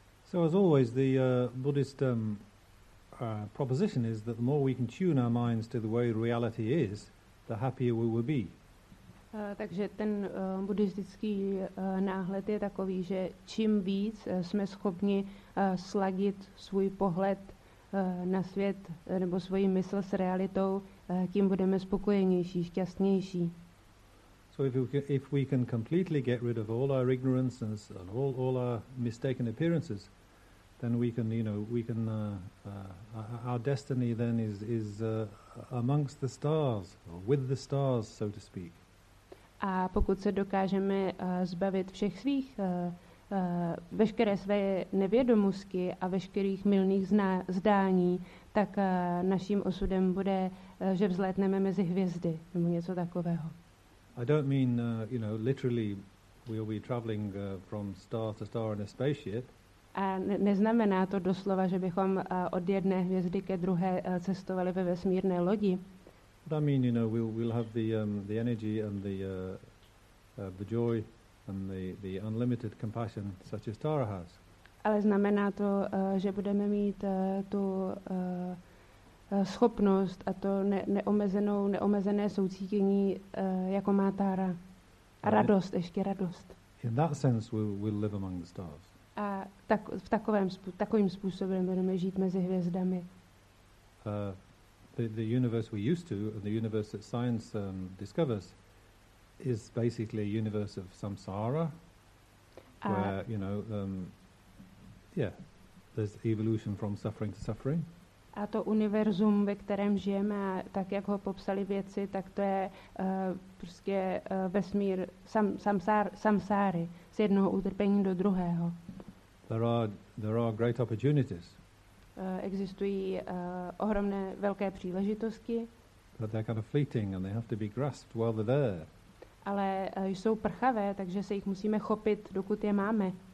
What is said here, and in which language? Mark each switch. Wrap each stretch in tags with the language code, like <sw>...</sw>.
<en>So as always, the Buddhist proposition is that the more we can tune our minds to the way reality is, the happier we will be.</en> <cs>Takže ten buddhistický náhled je takový, že čím víc jsme schopni sladit svůj pohled na svět nebo svoji mysl s realitou, tím budeme spokojenější, šťastnější.</cs> <en>So if we can completely get rid of all our ignorance and all our mistaken appearances, then we can our destiny then is amongst the stars or with the stars, so to speak.</en> <cs>A pokud se dokážeme zbavit všech svých veškeré své nevědomosti a veškerých mylných zdání, tak naším osudem bude, že vzlétneme mezi hvězdy nebo něco takového.</cs> <en>I don't mean literally we'll be traveling from star to star in a spaceship.</en> <cs>A neznamená to doslova, že bychom od jedné hvězdy ke druhé cestovali ve vesmírné lodi.</cs> <en>But I mean, we'll have the energy and the joy and the unlimited compassion such as Tara has.</en> <cs>Ale znamená to, že budeme mít tu schopnost a to neomezené soucítění, jako má Tara. A radost, ještě radost.</cs> <en>In that sense, we'll live among the stars.</en> <cs>A tak, v takovým způsobem budeme žít mezi hvězdami.</cs> <en>The universe we used to, the universe that science discovers, is basically a universe of samsara, where there's evolution from suffering to suffering.</en> <cs>A to univerzum, ve kterém žijeme, tak jak ho popsali vědci, tak to je prostě vesmír samsáry, z jednoho utrpení do druhého.</cs> <en>There are great opportunities.</en> <cs>Existují ohromné velké příležitosti.</cs> <en>But they're kind of fleeting and they have to be grasped while they're there.</en> <cs>Ale jsou prchavé, takže se jich musíme chopit, dokud je máme.</cs>